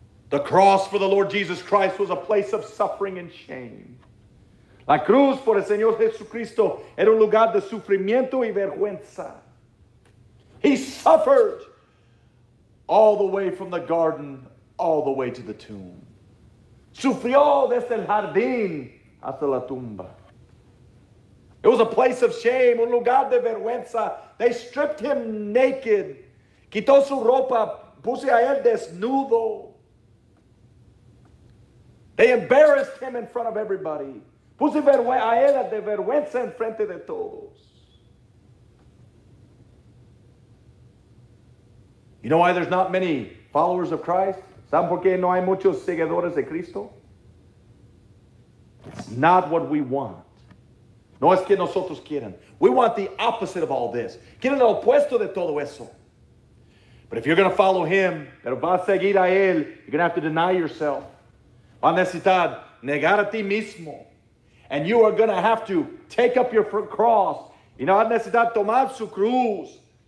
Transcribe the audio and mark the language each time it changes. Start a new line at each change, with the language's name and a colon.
English: The cross for the Lord Jesus Christ was a place of suffering and shame.
Spanish: La cruz por el Señor Jesucristo era un lugar de sufrimiento y vergüenza.
English: He suffered. All the way from the garden, all the way to the tomb.
Spanish: Sufrió desde el jardín hasta la tumba.
English: It was a place of shame,
Spanish: un lugar de vergüenza.
English: They stripped him naked.
Spanish: Quitó su ropa, puse a él desnudo.
English: They embarrassed him in front of everybody.
Spanish: Puse a él de vergüenza en frente de todos.
English: You know why there's not many followers of Christ?
Spanish: ¿Saben por qué no hay muchos seguidores de Cristo?
English: It's not what we want.
Spanish: No es que nosotros quieren.
English: We want the opposite of all this.
Spanish: Quieren lo opuesto de todo eso.
English: But if you're going to follow him,
Spanish: pero vas a seguir a él,
English: you're going to have to deny yourself.
Spanish: Vas a necesitar negar a ti mismo.
English: And you are going to have to take up your cross.
Spanish: Y no vas a necesitar tomar su cruz.